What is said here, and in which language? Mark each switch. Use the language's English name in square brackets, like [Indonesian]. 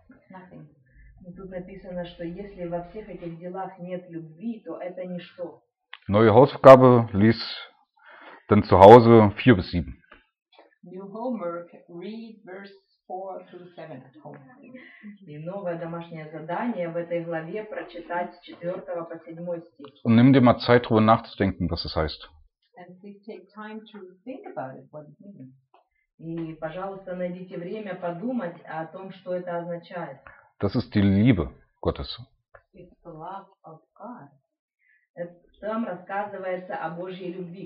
[English] Nothing. [Russian] Тут написано, что если во всех этих делах нет любви, то это ничто. [German] Neue Hausaufgabe lies dann zu Hause 4 bis 7. [English] New homework, read verse 4 through 7 at home. [Russian] И новое домашнее задание в этой главе прочитать с 4 по 7 стих. [German] Und nimm dir mal Zeit, darüber nachzudenken, was es heißt. [English] And please take time to think about it, what it means. [Russian] И, пожалуйста, найдите время подумать о том, что это означает. [German] Das ist die Liebe Gottes. [English] It's the love of God. [Russian] Там рассказывается о Божьей любви.